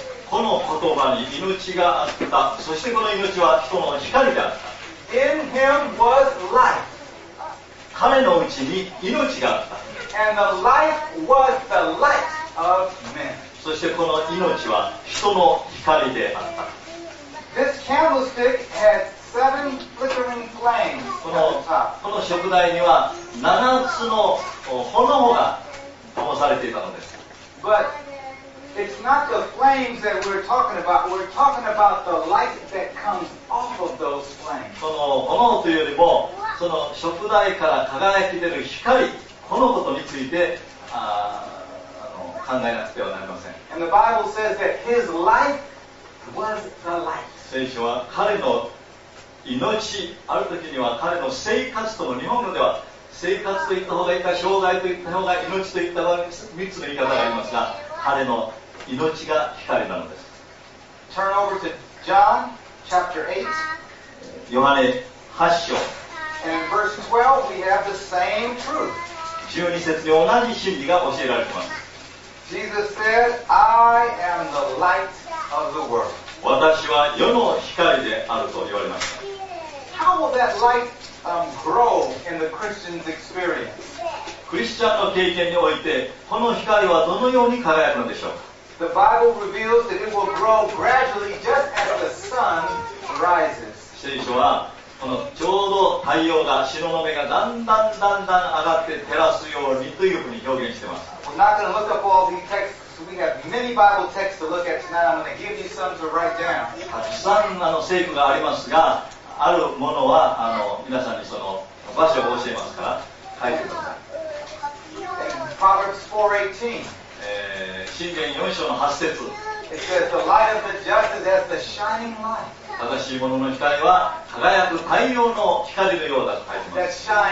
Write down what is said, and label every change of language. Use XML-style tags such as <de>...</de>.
<ja>この言葉に命があった。そしてこの命は人の光であった。</ja> <en>In him was life.</en> <ja>彼のうちに命があった。</ja> <en>And the life was the light of men.</en> <ja>そしてこの命は人の光であった。</ja> <en>This candlestick had seven flickering flames at the top.</en> <ja>この燭台には7つの炎が灯されていたのです。</ja> <en>But it's not the flames that we're talking about. We're talking about the light that comes off of those flames.</en> <ja>その炎というよりも、その燭台から輝き出る光、このことについて、考えなくてはなりません。</ja> <en>And the Bible says that his life was the light.</en> <ja>聖書は彼の命、ある時には彼の生活とも、日本語では生活といった方がいいか、生涯といった方が、命といった方が、3つの言い方がありますが、彼の命が光なのです。</ja> <en>Turn over to John chapter 8.</en> <ja>ヨハネ8章。</ja> <en>And in verse 12 we have the same truth.</en> <ja>12節に同じ真理が教えられています。</ja> <en>Jesus said, I am the light of the world.</en> <ja>私は世の光であると言われました。</ja> <en>How will that light grow in the Christian's experience?</en> <ja>クリスチャンの経験において、この光はどのように輝くのでしょうか?</ja> <en>The Bible reveals that it will grow gradually just as the sun rises.</en> <ja>聖書は、このちょうど太陽が、白の目がだんだんだんだん上がって照らすようにというふうに表現しています。</ja> <en>We're not going to look up all the texts. We have many Bible texts to look at tonight. I'm going to give you some to write down.</en> <ja>たくさん聖句がありますが、あるものは皆さんにその場所を教えますから書いてください。</ja> <en>Proverbs 4:18.</en> <ja>箴言4章の8節。</ja> <en>It says the light of the just is as the shining light.</en> <ja>正しいものの光は輝く太陽の光のようだと書いています。</ja>